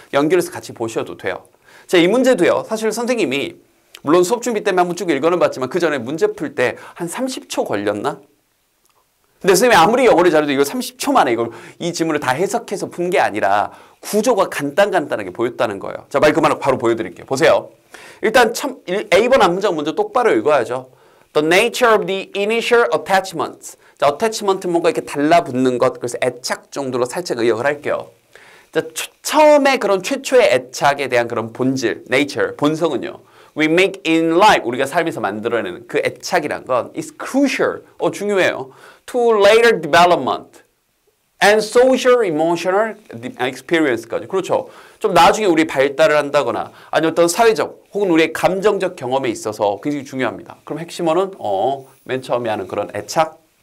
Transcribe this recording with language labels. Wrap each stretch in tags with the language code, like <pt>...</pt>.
<ko>연결해서 같이 보셔도 돼요. 자, 이 문제도요. 사실 선생님이 물론 수업 준비 때문에 한번 쭉 읽어는 봤지만 그 전에 문제 풀 때 한 30초 걸렸나? 근데 선생님이 아무리 영어를 잘해도 이거 30초 만에 이걸 이 질문을 다 해석해서 푼 게 아니라 구조가 간단간단하게 보였다는 거예요. 자, 말 그만하고 바로 보여드릴게요. 보세요. 일단 A번 앞문장 먼저 똑바로 읽어야죠.</ko> <en>The nature of the initial attachments.</en> <ko>자, attachment은 뭔가 이렇게 달라붙는 것, 그래서 애착 정도로 살짝 의역을 할게요. 자, 처음에 그런 최초의 애착에 대한 그런 본질, nature, 본성은요.</ko> <en>We make in life,</en> <ko>우리가 삶에서 만들어내는 그 애착이란 건</ko> <en>is crucial,</en> <ko>중요해요.</ko> <en>To later development and social emotional experience까지.</en> <ko>그렇죠. 좀 나중에 우리 발달을 한다거나 아니면 어떤 사회적 혹은 우리의 감정적 경험에 있어서 굉장히 중요합니다. 그럼 핵심어는 맨 처음에 하는 그런 애착.</ko>